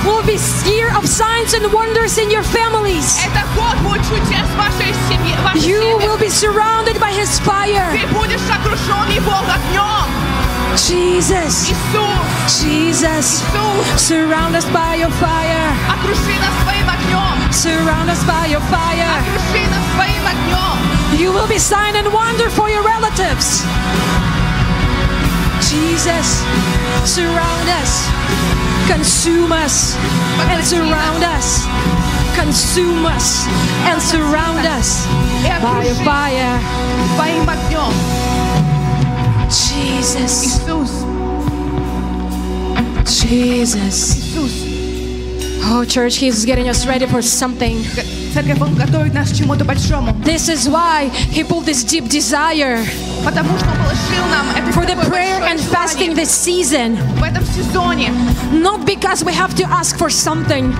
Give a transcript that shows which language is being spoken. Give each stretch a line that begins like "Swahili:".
English: Will be year of signs and wonders in your families.
Russian: Это год будет чудес в вашей семье.
English: You will be surrounded by His fire.
Russian: Ты будешь окружён Его огнём.
English: Jesus.
Russian: Иисус.
English: Jesus.
Russian: Иисус.
English: Surround us by Your fire.
Russian: Окружи нас своим огнём.
English: Surround us by Your fire.
Russian: Окружи нас своим огнём.
English: You will be sign and wonder for your relatives. Jesus, surround us, consume us, and surround us, consume us, and surround us by your fire. By your fire. Jesus. Jesus. Jesus. Oh, church, He's getting us ready for something.
Russian: Церковь, Он готовит нас к чему-то большому.
English: This is why He pulled this deep desire.
Russian: Потому что Он положил нам это такое большое желание.
English: And fasting this season.
Russian: В этом сезоне.
English: Not because we have to ask for something.